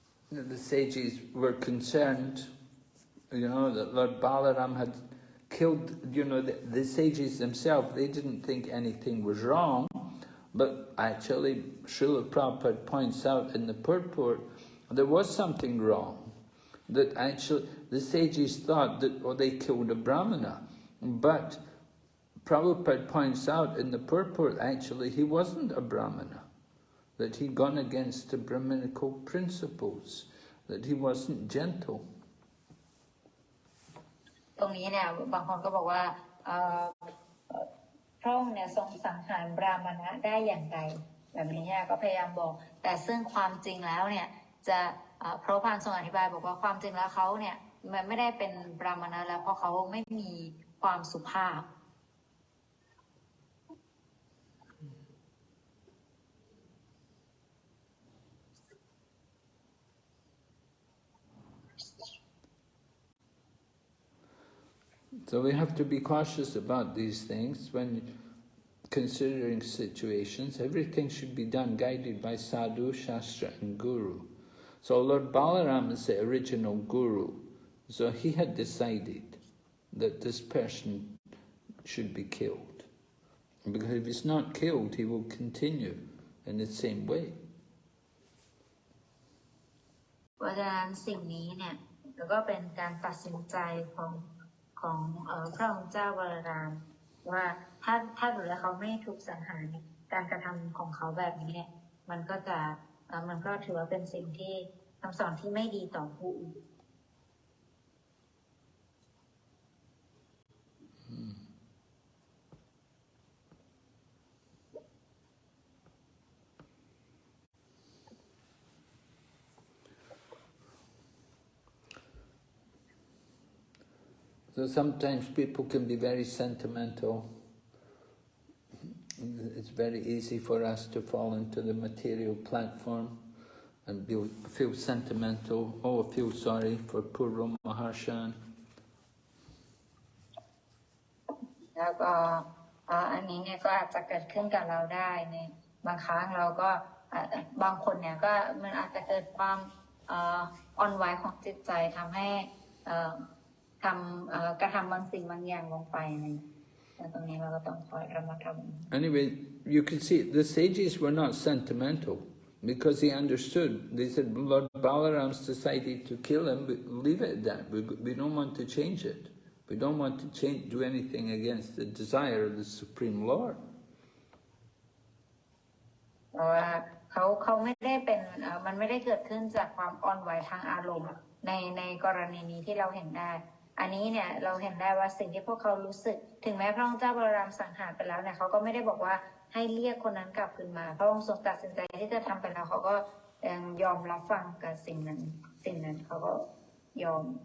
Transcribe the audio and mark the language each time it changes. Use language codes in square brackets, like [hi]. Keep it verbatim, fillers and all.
[en] that the sages were concerned, you know, that Lord Balaram had killed, you know, the, the sages themselves, they didn't think anything was wrong, but actually Srila Prabhupada points out in the purport, there was something wrong, that actually the sages thought that, oh, they killed a Brahmana, but Prabhupada points out in the purport, actually, he wasn't a Brahmana, that he'd gone against the Brahminical principles, that he wasn't gentle. [th] ตรงนี้เนี่ยบางคนก็บอกว่าเอ่อ พระองค์เนี่ยทรงสังหารบราหมณะได้อย่างไรแบบนี้เนี่ยก็พยายามบอก แต่ซึ่งความจริงแล้วเนี่ยจะเอ่อพระพานทรงอธิบายบอกว่าความจริงแล้วเขาเนี่ยมันไม่ได้เป็นบราหมณะแล้วเพราะเขาไม่มีความสุภาพ [en] So we have to be cautious about these things when considering situations. Everything should be done guided by sadhu, shastra and guru. So Lord Balaram is the original guru. So he had decided that this person should be killed. Because if he's not killed, he will continue in the same way. [th] เพราะฉะนั้นสิ่งนี้เนี่ยก็เป็นการตัดสินใจของของเอ่อพระองค์เจ้าบาลารามว่าถ้าถ้าดูแล้วเขาไม่ถูกสังหารเนี่ยการกระทำของเขาแบบนี้เนี่ยมันก็จะเอ่อมันก็ถือว่าเป็นสิ่งที่คำสอนที่ไม่ดีต่อผู้อื่น [en] So sometimes people can be very sentimental. It's very easy for us to fall into the material platform and be, feel sentimental. Oh, I feel sorry for poor Rama Maharshan. [th] แล้วก็เอ่ออันนี้เนี่ยก็อาจจะเกิดขึ้นกับเราได้ในบางครั้งเราก็อ่ะบางคนเนี่ยก็มันอาจจะเกิดความเอ่ออ่อนไหวของจิตใจทำให้เอ่อทำเอ่อกระทำบางสิ่งบางอย่างลงไปในแต่ตรงนี้เราก็ต้องคอยระมัดระวัง [en] Anyway, you can see the sages were not sentimental because they understood. They said, Lord Balaram's decided to kill him, but leave it at that. We, we don't want to change it. We don't want to change, do anything against the desire of the Supreme Lord. [th] เพราะว่าเขาเขาไม่ได้เป็นเอ่อมันไม่ได้เกิดขึ้นจากความอ่อนไหวทางอารมณ์ในในกรณีนี้ที่เราเห็นได้อันนี้เนี่ยเราเห็นได้ว่าสิ่งที่พวกเขารู้สึกถึงแม้พระองค์เจ้าบารามสังหารไปแล้วเนี่ยเขาก็ไม่ได้บอกว่าให้เรียกคนนั้นกลับคืนมาพระองค์ทรงตัดสินใจที่จะทำไปแล้วเขาก็ยังยอมรับฟังกับสิ่งนั้นสิ่งนั้นเขาก็ยอม